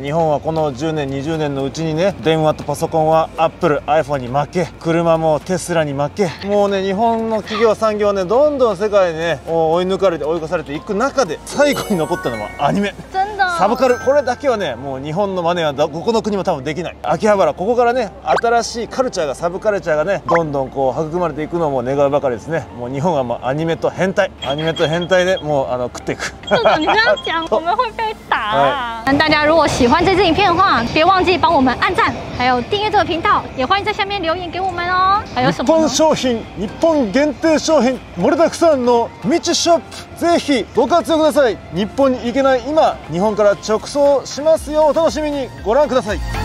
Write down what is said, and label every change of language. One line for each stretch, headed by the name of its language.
Japanese: 日本はこの10年20年のうちにね、電話とパソコンはアップル iPhone に負け、車もテスラに負け、もうね日本の企業産業はねどんどん世界にね追い抜かれて追い越されていく中で、最後に残ったのはアニメ。
Chinese: 真的
Japanese: サブカル、これだけはねもう日本の真似はどこの国も多分できない。秋葉原、ここからね新しいカルチャーが、サブカルチャーがねどんどんこう育まれていくのも願うばかりですね。もう日本はもうアニメと変態、アニメと変態で、ね、もう食っていく。
Chinese: 社長你这样讲我们会被打。大家如果喜欢这支影片的话，别忘记帮我们按赞，还有订阅这个频道，也欢迎在下面留言给我们哦。还有什么？
Japanese: 日本商品、日本限定商品、盛りだくさんの道ショップ、ぜひご活用ください。日本に行けない今、日本から直送しますよ。お楽しみにご覧ください。